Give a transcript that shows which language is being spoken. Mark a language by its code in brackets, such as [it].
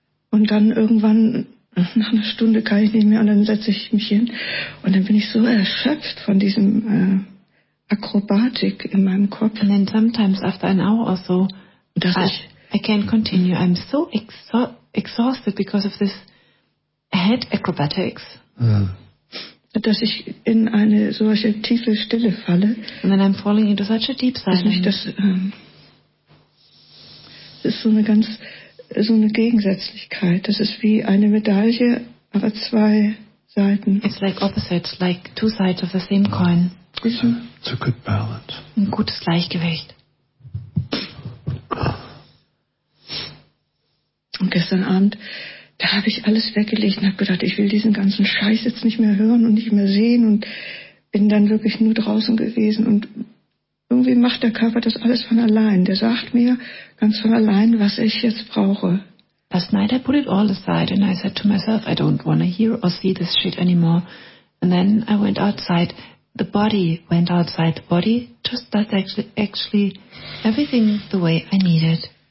[de] Und dann irgendwann, nach einer Stunde kann ich nicht mehr und dann setze ich mich hin und dann bin ich so erschöpft von diesem Akrobatik in meinem Kopf. [en] And then sometimes after an hour or so, I can't continue. I'm so exhausted because of this head acrobatics. [de] Ja. Dass ich in eine solche tiefe Stille falle. [en] And then I'm falling into such a deep silence. [de] Das ist so eine Gegensätzlichkeit. Das ist wie eine Medaille, aber zwei Seiten. [en] It's like opposites, like two sides of the same coin. It's a good balance. [de] Ein gutes Gleichgewicht. Und gestern Abend, da habe ich alles weggelegt und habe gedacht, ich will diesen ganzen Scheiß jetzt nicht mehr hören und nicht mehr sehen und bin dann wirklich nur draußen gewesen. Und irgendwie macht der Körper das alles von allein. Der sagt mir ganz von allein, was ich jetzt brauche. [en] Last night I put it all aside and I said to myself, I don't want to hear or see this shit anymore. And then I went outside. The body went outside. The body just does actually everything the way I need it.